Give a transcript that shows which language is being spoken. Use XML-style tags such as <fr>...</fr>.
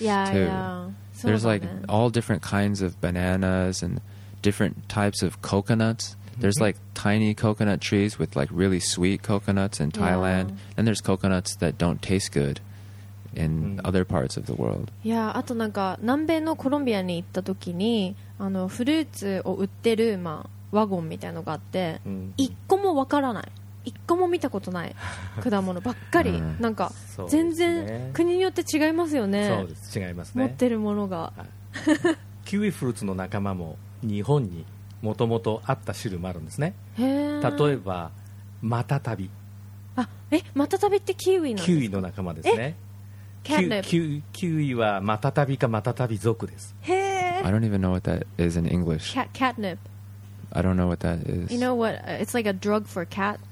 <en>yeah, too. Yeah. There's so like all different kinds of bananas and different types of coconuts. There's like tiny coconut trees with like really sweet coconuts in Thailand. Yeah. And there's coconuts that don't taste good in other parts of the world. Yeah.</en> <ja>あとなんか南米のコロンビアに行った時に、フルーツを売ってる、まあワゴンみたいなのがあって、一個もわからない、一個も見たことない果物ばっかり、なんか全然国によって違いますよね。そうです、違いますね。持ってるものが、はい、キウイフルーツの仲間も日本にもともとあった種類もあるんですね。へ、例えばマタタビ。あ、マタタビってキウイなんですか？キウイの仲間ですね。キウイはマタタビかマタタビ属です。へ、</ja> <en>I don't even know what that is in English. Catnip. I don't know what that is. You know what? It's like a drug for cat.</en>